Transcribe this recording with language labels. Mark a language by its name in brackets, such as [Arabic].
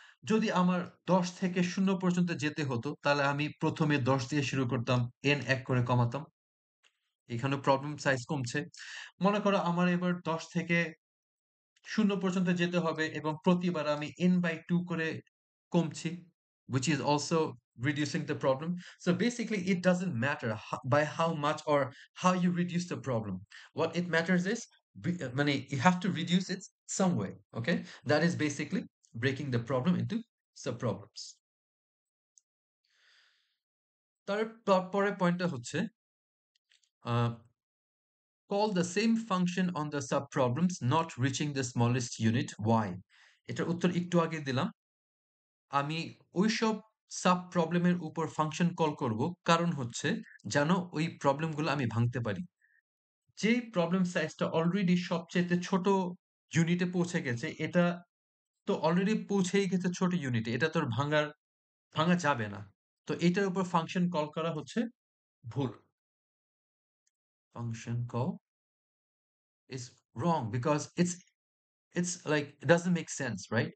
[Bangla] যদি আমার 10 থেকে 0 পর্যন্ত যেতে হতো, তাহলে আমি প্রথমে 10 দিয়ে শুরু করতাম, এন 1 করে কমাতাম, এখানে প্রবলেম সাইজ কমছে। মনে করো আমার এবার 10 থেকে 0 পর্যন্ত যেতে হবে, এবং প্রতিবার আমি এন বাই 2 করে কমছি, [English] which is also reducing the problem. So basically, it doesn't matter by how much or how you reduce the problem. What it matters is, money, you have to reduce it some way. Okay, that is basically breaking the problem into sub-problems. [Bangla] Tarpore point hocche, [English] call the same function on the sub-problems not reaching the smallest unit. Why? [Bangla] Etar uttor ektu age dilam. আমি ওইসব sub প্রবলেমের উপর function call করব, কারণ হচ্ছে যেন ওই প্রবলেমগুলো আমি ভাঙতে পারি। যে প্রবলেম সাইজটা অলরেডি সবচেয়ে ছোট ইউনিটে পৌঁছে গেছে, এটা তো অলরেডি পৌঁছেই গেছে ছোট ইউনিটে, এটা তোর ভাঙা যাবে না। তো এটার উপর ফাংশন কল করা হচ্ছে ভুল। [English] Function call is wrong because it's It's like, it doesn't make sense, right?